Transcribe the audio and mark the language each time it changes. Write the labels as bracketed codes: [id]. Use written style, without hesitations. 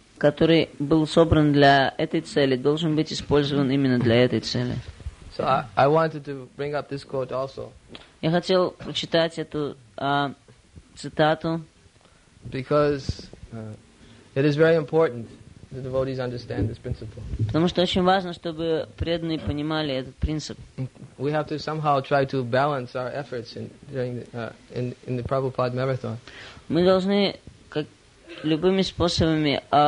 [ru] Который был собран для этой цели, должен быть использован именно для этой цели. [en] So I wanted to bring up this quote also. [ru] Я хотел прочитать эту цитату. [en] Because it is very important. the devotees understand this principle. [ru] Потому что очень важно, чтобы преданные понимали этот принцип. [en] We have to somehow try to balance our efforts in the Prabhupada marathon. [ru] Мы должны как любыми способами